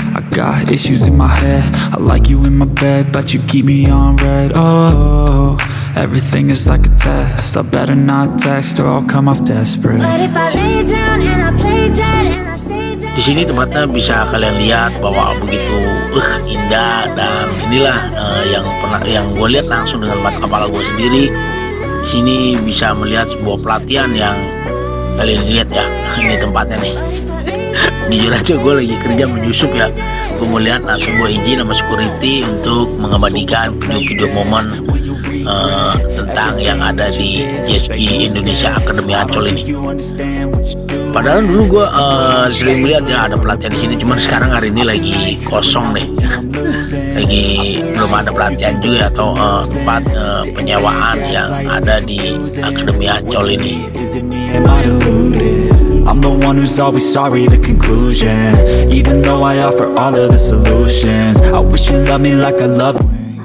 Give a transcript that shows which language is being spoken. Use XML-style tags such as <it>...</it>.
<en>Got issues in my head, I like you in my bed, but you keep me on red. Oh, everything is like a test, I better not text or I'll come off desperate. But if I lay down and I play dead and I stay dead.</en> <id>Di sini tempatnya bisa kalian lihat bahwa begitu indah, dan inilah yang gue lihat langsung dengan mata kepala gue sendiri. Di sini bisa melihat sebuah pelatihan yang kalian lihat ya, ini tempatnya nih. Jujur aja gue lagi kerja menyusup ya, gue mau lihat langsung gue izin sama security untuk mengabadikan video-video momen tentang yang ada di JSK Indonesia Akademi Ancol ini. Padahal dulu gue sering melihat ya ada pelatihan di sini, cuman sekarang hari ini lagi kosong nih, lagi belum ada pelatihan juga atau tempat penyewaan yang ada di Akademi Ancol ini.</id> <en>I'm the one who's always sorry, the conclusion. Even though I offer all of the solutions, I wish you loved me like I love you.</en>